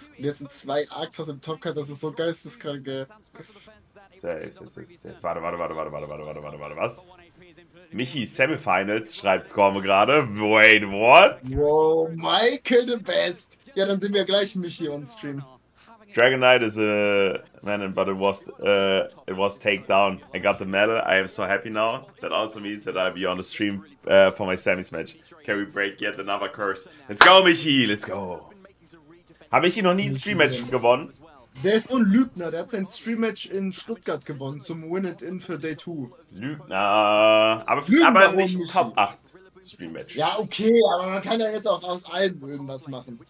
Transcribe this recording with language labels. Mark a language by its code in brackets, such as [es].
[de] Und jetzt sind zwei Arctos im Topcard, das ist so geisteskrank, ey. Safe. Warte, was? Michi, Semifinals, schreibt Skorme gerade. [en] Wait, what? Wow, Michael the Best. [de] Ja, dann sehen wir gleich Michi on stream. [en] Dragon Knight is a man, but it was take down. I got the medal. I am so happy now. That also means that I'll be on the stream for my semis match. Can we break yet another curse? Let's go, Michi. Let's go. [de] Habe ich hier noch nie ein Stream Match gewonnen? Der ist so ein Lügner. Der hat sein Stream Match in Stuttgart gewonnen zum Win It In für Day 2. Lügner. Aber nicht Top 8. Stream-Match. Ja, okay, aber man kann ja jetzt auch aus allem irgendwas machen.